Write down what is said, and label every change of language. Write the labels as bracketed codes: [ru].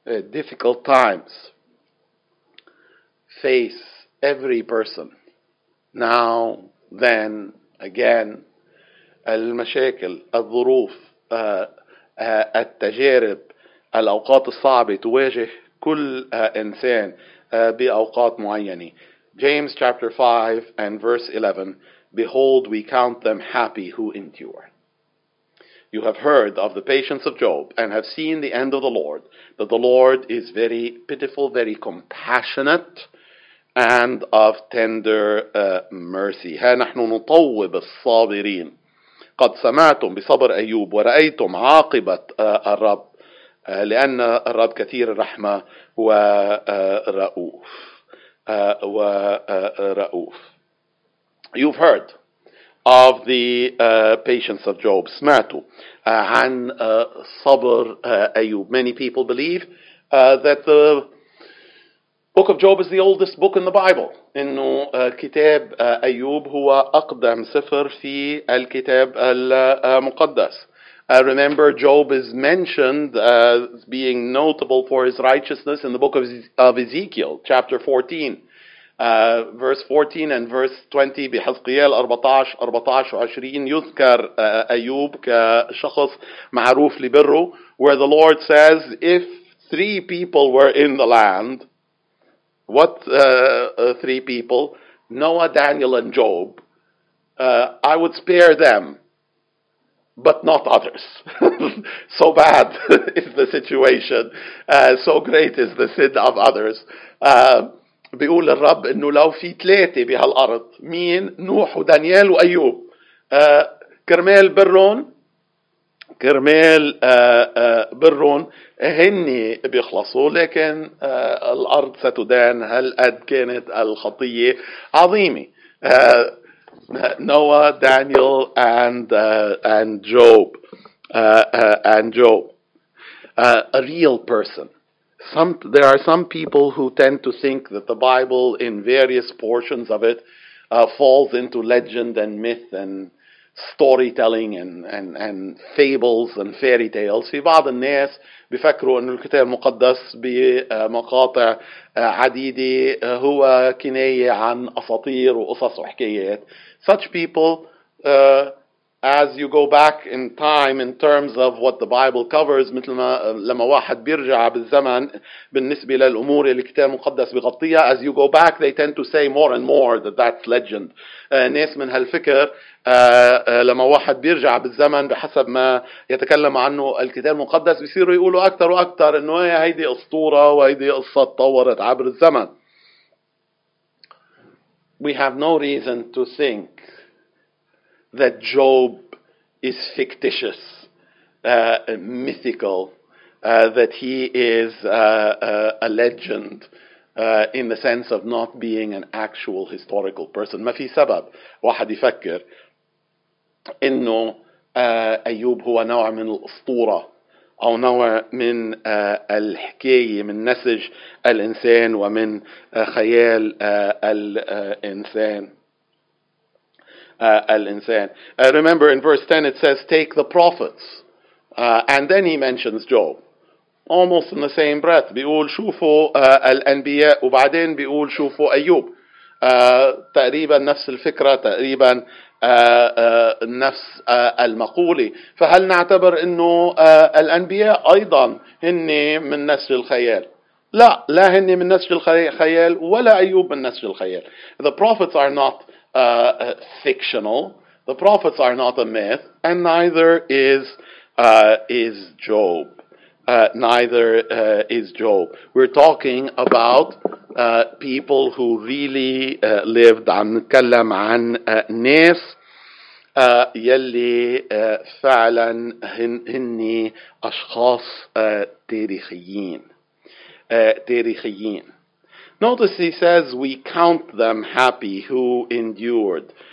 [en] Difficult times face every person. Now, then, again, [ar] المشاكل، الظروف، التجارب، الأوقات الصعبة تواجه كل إنسان بأوقات معينة. [en] James chapter 5 and verse 11, behold, we count them happy who endure. You have heard of the patience of Job and have seen the end of the Lord, that the Lord is very pitiful, very compassionate, and of tender mercy. [ar] ها نحن نطوب الصابرين. قد سمعتم بصبر أيوب ورأيتم عاقبة الرب لأن الرب كثير الرحمة ورؤوف. ورؤوف. [en] You've heard of the patience of Job. [ar] سمعتوا عن صبر أيوب. [en] Many people believe that the book of Job is the oldest book in the Bible. [ar] إنه كتاب أيوب هو أقدم سفر في الكتاب المقدس. [en] Remember, Job is mentioned as being notable for his righteousness in the book of Ezekiel, chapter 14. Verse 14 and verse 20, [ar] بحزقيال 14 و20 يذكر أيوب كشخص معروف لبره, [en] where the Lord says, if three people were in the land, what three people? Noah, Daniel, and Job, I would spare them, but not others. So bad is the situation, so great is the sin of others. [ar] بيقول الرب انه لو في ثلاثة بهالارض, مين؟ نوح ودانيال وايوب, كرمال برون, كرمال برون هني بيخلصوا, لكن الارض ستدان. هل قد كانت الخطية عظيمة. نوح, دانيال, [en] and Job. A real person. There are some people who tend to think that the Bible, in various portions of it, falls into legend and myth and storytelling and fables and fairy tales. [ar] في بعض الناس بيفكروا أن الكتاب المقدس بمقاطع عديدة هو كناية عن أساطير وقصص وحكايات. [en] Such people, as you go back in time in terms of what the Bible covers, [ar] مثل ما لما واحد بيرجع بالزمن بالنسبة للأمور اللي الكتاب المقدس بيغطيها, [en] as you go back, they tend to say more and more that that's legend. [ar] ناس من هالفكر لما واحد بيرجع بالزمن بحسب ما يتكلم عنه الكتاب المقدس بيصيروا يقولوا أكثر وأكثر إنه هيدي أسطورة وهيدي قصة تطورت عبر الزمن. [en] We have no reason to think that Job is fictitious, mythical, that he is a legend in the sense of not being an actual historical person. [ar] ما في سبب واحد يفكر إنه أيوب هو نوع من الأسطورة أو نوع من الحكاية من نسج الإنسان ومن خيال الإنسان. الإنسان. [en] Remember in verse 10 it says take the prophets, and then he mentions Job almost in the same breath. [ar] بيقول شوفوا الأنبياء وبعدين بيقول شوفوا أيوب, تقريبا نفس الفكرة, تقريبا نفس المقولة. فهل نعتبر أنه الأنبياء أيضا هن من نسج الخيال؟ لا, لا هن من نسج الخيال ولا أيوب من نسج الخيال. [en] The prophets are not fictional. The prophets are not a myth, and neither is Job. Neither is Job. We're talking about people who really lived. [ar] عم نتكلم عن ناس يلي فعلا هني أشخاص تاريخيين. تاريخيين. [en] Notice he says we count them happy who endured.